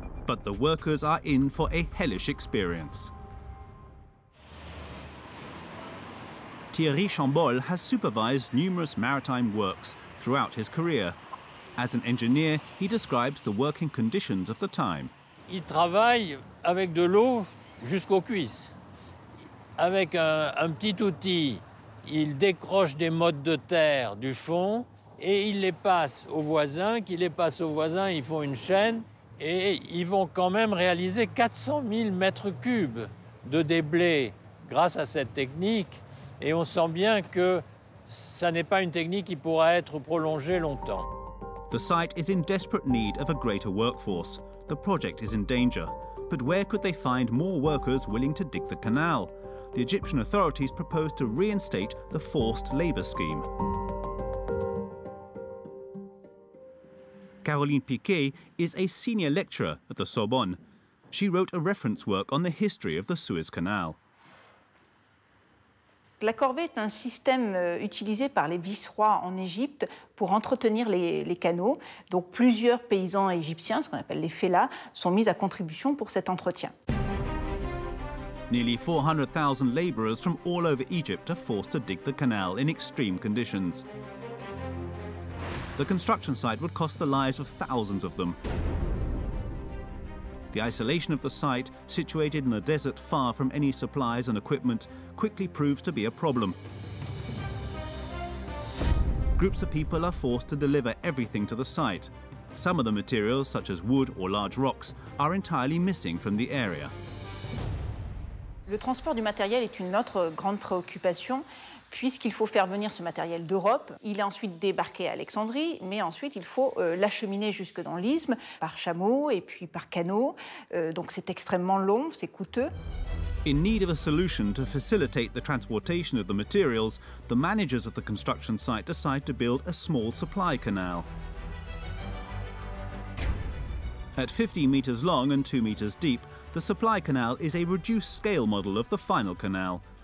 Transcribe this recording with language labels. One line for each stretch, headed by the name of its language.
English: But the workers are in for a hellish experience. T Thierry Chambol has supervised numerous maritime works throughout his career. As an engineer, he describes the working conditions of the time.
French: Il travaille avec de l'eau jusqu'aux cuisses. Avec un petit outil, il décroche des mottes de terre du fond et il les passe aux voisins. Qui les passe aux voisins, ils font une chaîne et ils vont quand même réaliser 400 000 mètres cubes de déblai grâce à cette technique. Et on sent bien que ça n'est pas une technique qui pourra être prolongée longtemps.
English: The site is in desperate need of a greater workforce. The project is in danger. But where could they find more workers willing to dig the canal? The Egyptian authorities proposed to reinstate the forced labor scheme. Caroline Piquet is a senior lecturer at the Sorbonne. She wrote a reference work on the history of the Suez Canal.
French: La corvée est un système utilisé par les vice-rois en Égypte pour entretenir les canaux. Donc plusieurs paysans égyptiens, ce qu'on appelle les fellahs, sont mis à contribution pour cet entretien.
English: Nearly 400,000 laborers from all over Egypt are forced to dig the canal in extreme conditions. The construction site would cost the lives of thousands of them. The isolation of the site, situated in the desert far from any supplies and equipment, quickly proves to be a problem. Groups of people are forced to deliver everything to the site. Some of the materials, such as wood or large rocks, are entirely missing from the area.
French: Le transport du matériel est une autre grande préoccupation, puisqu'il faut faire venir ce matériel d'Europe. Il est ensuite débarqué à Alexandrie, mais ensuite il faut l'acheminer jusque dans l'isthme par chameau et puis par canot. Donc c'est extrêmement long, c'est coûteux.
English: In need of a solution to facilitate the transportation of the materials, the managers of the construction site decide to build a small supply canal. At 50 meters long and 2 meters deep, the supply canal is a reduced scale model of the final canal.